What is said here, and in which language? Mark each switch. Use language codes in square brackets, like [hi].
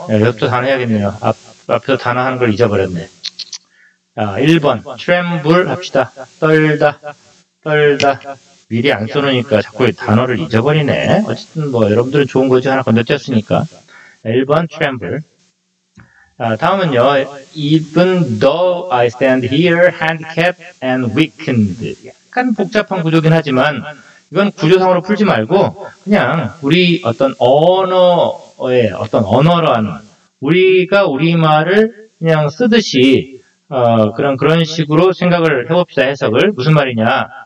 [ko] 여기서부터 단어 해야겠네요. 앞에서 단어 하는 걸 잊어버렸네. 자, 1번. tremble 합시다. 떨다. 떨다. 미리 안 써놓으니까 자꾸 단어를 잊어버리네. 어쨌든 뭐 여러분들은 좋은 거지 하나 건너뛰었으니까. 1번. tremble. 자, 다음은요. [en] Even though I stand here handicapped and weakened. [ko] 약간 복잡한 구조긴 하지만 이건 구조상으로 풀지 말고 그냥 우리 어떤 언어의 어떤 언어라는 우리가 우리말을 그냥 쓰듯이 그런 식으로 생각을 해봅시다. 해석을. 무슨 말이냐.